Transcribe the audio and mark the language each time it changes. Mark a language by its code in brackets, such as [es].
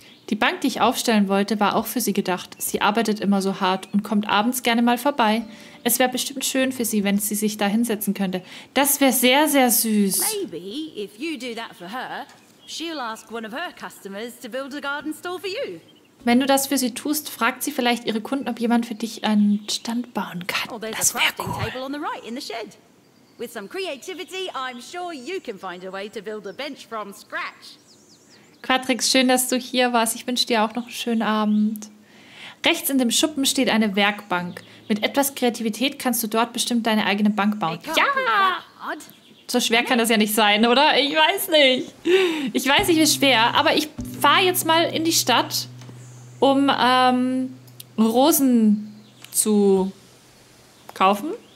[de] Die Bank, die ich aufstellen wollte, war auch für sie gedacht. Sie arbeitet immer so hart und kommt abends gerne mal vorbei. Es wäre bestimmt schön für sie, wenn sie sich da hinsetzen könnte. Das wäre sehr, sehr süß. [en] Maybe if you do that for her, she'll ask one of her customers to build a garden stall for you. [de] Wenn du das für sie tust, fragt sie vielleicht ihre Kunden, ob jemand für dich einen Stand bauen kann. Das wäre cool. [en] With some creativity, I'm sure you can find a way to build a bench from scratch. [de] Quatrix, schön, dass du hier warst. Ich wünsche dir auch noch einen schönen Abend. Rechts in dem Schuppen steht eine Werkbank. Mit etwas Kreativität kannst du dort bestimmt deine eigene Bank bauen. Ja! So schwer kann das ja nicht sein, oder? Ich weiß nicht. Ich weiß nicht, wie schwer, aber ich fahre jetzt mal in die Stadt, um Rosen zu kaufen.